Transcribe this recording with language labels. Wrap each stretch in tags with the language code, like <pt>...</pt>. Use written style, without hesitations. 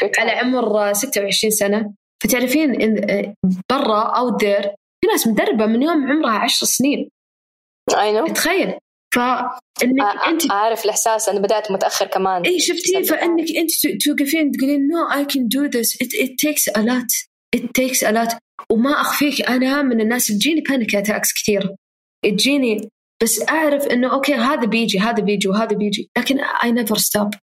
<ar>على عمر 26 سنة، فتعرفين إن برا</ar> <en>out there</en> <ar>في ناس مدربة من يوم عمرها 10 سنين.</ar> <en>I know.</en> <ar>تخيل. أنت أعرف الإحساس، أنا بدأت متأخر كمان. إيه شفتي، فإنك أنت توقفين تقولين</ar> <en>no I can do this it takes a lot.</en> <ar>وما أخفيك أنا من الناس اللي تجيني</ar> <en>panic attacks</en> <ar>كثير تجيني، بس أعرف إنه أوكي هذا بيجي لكن</ar> <en>I never stop.</en>